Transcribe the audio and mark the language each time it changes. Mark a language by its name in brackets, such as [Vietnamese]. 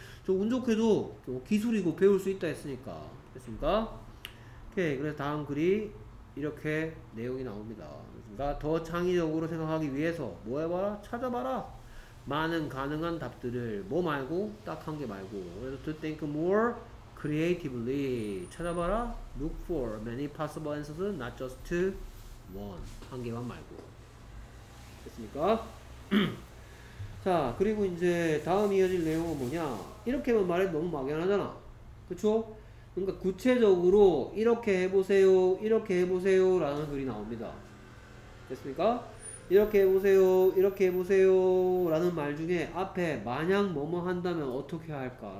[Korean] 저 운 좋게도 기술이고 배울 수 있다 했으니까. 됐습니까? 오케이. 그래서 다음 글이 이렇게 내용이 나옵니다. 그러니까 더 창의적으로 생각하기 위해서 뭐 해봐라? 찾아봐라. 많은 가능한 답들을 뭐 말고 딱 한 개 말고. 그래서 [English] to think more creatively. [Korean] 찾아봐라. [English] Look for many possible answers not just one. [Korean] 한 개만 말고. 됐습니까? 자, 그리고 이제 다음 이어질 내용은 뭐냐? 이렇게만 말해도 너무 막연하잖아. 그쵸? 그러니까 구체적으로 이렇게 해보세요, 이렇게 해보세요 라는 글이 나옵니다. 됐습니까? 이렇게 해보세요, 이렇게 해보세요 라는 말 중에 앞에 만약 뭐뭐 한다면 어떻게 할까?